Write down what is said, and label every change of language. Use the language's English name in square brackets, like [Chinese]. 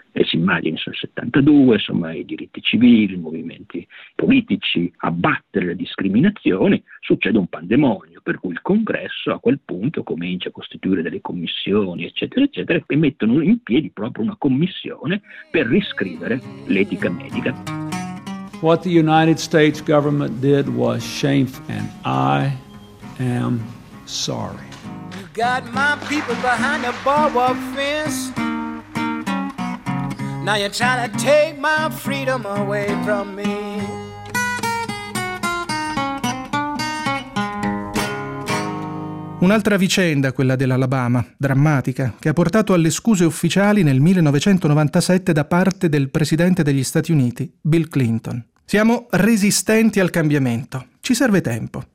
[Italian] E si immagina sul 72, insomma, i diritti civili, i movimenti politici, abbattere le discriminazioni, succede un pandemonio, per cui il Congresso a quel punto comincia a costituire delle commissioni, eccetera, eccetera, e mettono in piedi proprio una commissione per riscrivere l'etica medica. [English] What the United States government did was shameful, and I am sorry. Got my people behind a barbed fence. Now you're trying to take my freedom away from me. [Italian] Un'altra vicenda, quella dell'Alabama, drammatica, che ha portato alle scuse ufficiali nel 1997 da parte del presidente degli Stati Uniti, Bill Clinton. Siamo resistenti al cambiamento. Ci serve tempo.